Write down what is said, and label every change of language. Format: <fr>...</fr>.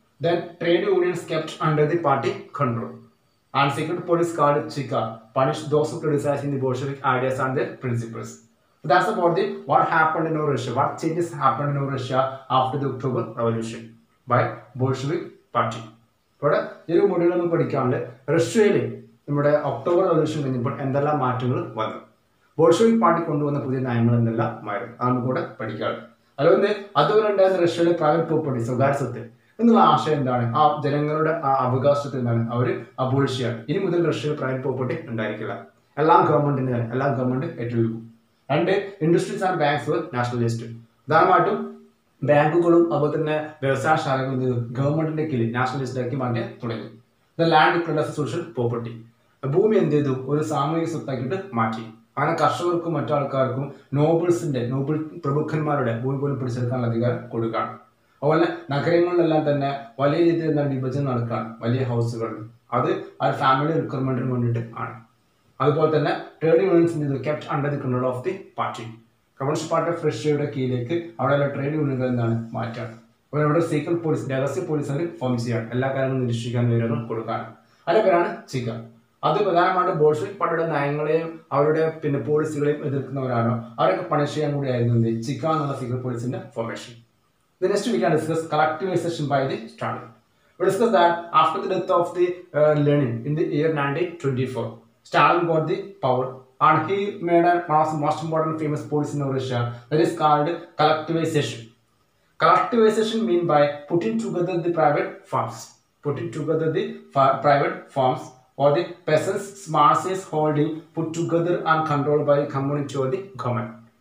<en>Then trade unions kept under the party control. And secret police called Chika punished those who criticizing the Bolshevik ideas and their principles. So that's about the what happened in Russia, what changes happened in Russia after the October Revolution by Bolshevik party.</en> <ml>But ഈ module നമ്മൾ പഠിക്കാനുള്ള റഷ്യയിൽ നമ്മുടെ October revolution കഴിഞ്ഞപ്പോൾ എന്തെല്ലാം മാറ്റങ്ങൾ വന്നു, Bolshevik party കൊണ്ടുവന്ന പുതിയ നയങ്ങൾ എന്തെല്ലാം മാറി, അതൊന്നും കൂടെ പഠിക്കാനുള്ളത്. അതുകൊണ്ട് അതുപോലെ ഉണ്ടായിരുന്ന റഷ്യയിലെ പ്രൈവറ്റ് പ്രോപ്പർട്ടി, സ്വകാര്യ സ്വത്ത് എന്നുള്ള ആശയം എന്താണ്, ആ ജനങ്ങളുടെ ആ അവകാശത്തിൽ നിന്നാണ് അവർ അബോളിഷിയാണ്, ഇനി മുതൽ റഷ്യയിൽ പ്രൈവറ്റ് പ്രോപ്പർട്ടി ഉണ്ടായിരിക്കില്ല, എല്ലാം ഗവൺമെന്റിന് തന്നെ, എല്ലാം ഗവൺമെന്റ് ഏറ്റെടുക്കും.</ml> <en>And industries and banks were nationalized.</en> <ml>ഉദാഹരണമായിട്ടും ബാങ്കുകളും അതുപോലെ തന്നെ വ്യവസായ ശാലകളും ഗവൺമെന്റിന്റെ കീഴിൽ നാഷണലിസ്റ്റ് ആക്കി മാറ്റാൻ തുടങ്ങി.</ml> <en>the land declared as social property,</en> <ml>ഭൂമി എന്ത് ചെയ്തു, ഒരു സാമൂഹിക സ്വത്താക്കിയിട്ട് മാറ്റി. അങ്ങനെ കർഷകർക്കും മറ്റാൾക്കാർക്കും നോബിൾസിന്റെ, നോബിൾ പ്രമുഖന്മാരുടെ ഭൂമി പോലും പിടിച്ചെടുക്കാനുള്ള അധികാരം കൊടുക്കുകയാണ്. അതുപോലെ നഗരങ്ങളിലെല്ലാം തന്നെ വലിയ രീതിയിൽ എന്താണ് വിഭജനം നടക്കുകയാണ്, വലിയ ഹൗസുകൾ, അത് ആ ഫാമിലി റിക്വയർമെന്റിന് വേണ്ടിയിട്ട് ആണ്. അതുപോലെ തന്നെ ട്രേഡ് യൂണിയൻസ് എന്ത് ചെയ്തു,</ml> <en>kept under the control of the party,</en> <ml>communist party of റഷ്യയുടെ കീഴിലേക്ക് അവിടെയുള്ള ട്രേഡ് യൂണിയനുകൾ എന്താണ് മാറ്റാണ്. അപ്പോൾ അവിടെ സീക്രട്ട് പോലീസ്, രഹസ്യ പോലീസ് അവർ ഫോം ചെയ്യാണ്, എല്ലാ കാര്യങ്ങളും നിരീക്ഷിക്കാൻ വിവരങ്ങൾ കൊടുക്കാണ്. അതിൻ്റെ പേരാണ് ചിക. അത് പ്രധാനമായിട്ടും ബോൾഷെവിക് പാർട്ടിയുടെ നയങ്ങളെയും അവരുടെ പിന്നെ പോളിസികളെയും എതിർക്കുന്നവരാണോ അവരൊക്കെ പണിഷ് ചെയ്യാൻ കൂടി ആയിരുന്നു എന്ത് ചിക എന്നുള്ള സീക്രട്ട് പോലീസിന്റെ formation.</ml> <en>The next we can discuss collectivisation by the Stalin. We discuss that after the death of the Lenin in the year 1924, Stalin got the power and he made one of the most important famous policy in Russia, that is called collectivization. Collectivization means by putting together the private farms, putting together the private farms or the peasants' masses holding put together and controlled by community or the government.</en>